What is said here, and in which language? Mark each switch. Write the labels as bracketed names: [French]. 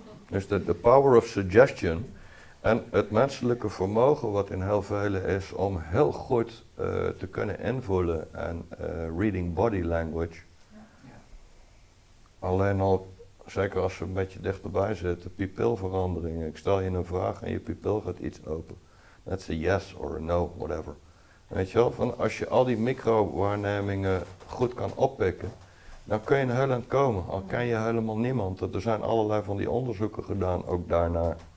[Dutch] Dus de power of suggestion en het menselijke vermogen wat in heel velen is om heel goed te kunnen invoelen en [English] reading body language. [Dutch] Ja. Alleen al, zeker als ze een beetje dichterbij zitten, pupilveranderingen. Ik stel je een vraag en je pupil gaat iets open. [English] That's a yes or a no, whatever. [Dutch] Weet je wel, van als je al die micro-waarnemingen goed kan oppikken, dan kun je een heel eind komen, al ken je helemaal niemand. Er zijn allerlei van die onderzoeken gedaan, ook daarna.